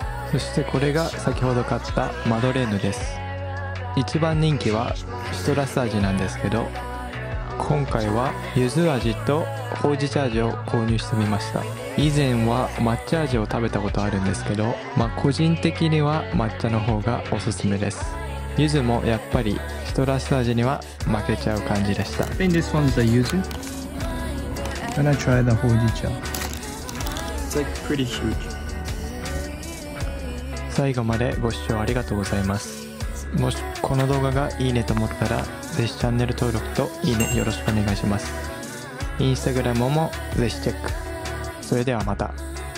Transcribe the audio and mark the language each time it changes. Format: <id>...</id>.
<ja>そしてこれが先ほど買ったマドレーヌです。一番人気はシトラス味なんですけど、今回は柚子味とほうじ茶味を購入してみました。以前は抹茶味を食べたことあるんですけど、まあ個人的には抹茶の方がおすすめです。柚子もやっぱりシトラス味には負けちゃう感じでした。</ja> <en>I think this one's a yuzu and I try the ほうじ茶。 It's like pretty huge。</en> <ja>最後までご視聴ありがとうございます。もしこの動画がいいねと思ったら、ぜひチャンネル登録といいねよろしくお願いします。インスタグラムもぜひチェック。それではまた。</ja>